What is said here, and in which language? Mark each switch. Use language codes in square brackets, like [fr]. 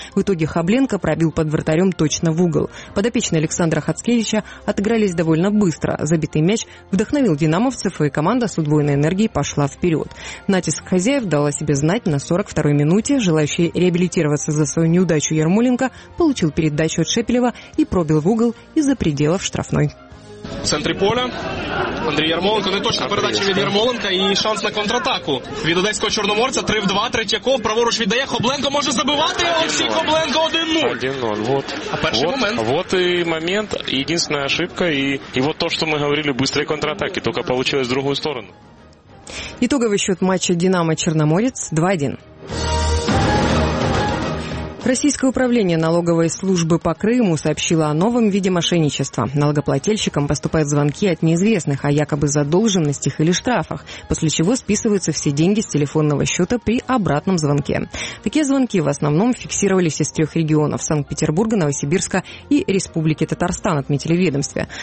[ru] В итоге Хабленко пробил под вратарем точно в угол. Подопечные Александра Хацкевича отыгрались довольно быстро. Забитый мяч вдохновил динамовцев, и команда с удвоенной энергией пошла вперед. Натиск хозяев дал о себе знать на 42-й минуте. Желающий реабилитироваться за свою неудачу Ермоленко получил передачу от Шепелева и пробил в угол из-за пределов штрафной. [uk] В центре поля Андрій Ярмоленко, не точно передача від Ярмоленка і шанс на контратаку від одеського чорноморця. 3-2, Третьяков праворуч віддає, Хобленко може забивати. Олексій Хобленко 1-0. [ru] 1-0, вот. [uk] А перший [ru] вот, [uk] момент. Вот і момент, єдинна ошибка, і вот то, що ми говорили, швидкі контратаки, тільки вийшло з другої сторони. Ітоговий счет матчу «Динамо-Чорноморець» 2-1. [ru] Российское управление налоговой службы по Крыму сообщило о новом виде мошенничества. Налогоплательщикам поступают звонки от неизвестных о якобы задолженностях или штрафах, после чего списываются все деньги с телефонного счета при обратном звонке. Такие звонки в основном фиксировались из трех регионов – Санкт-Петербурга, Новосибирска и Республики Татарстан, отметили в ведомстве.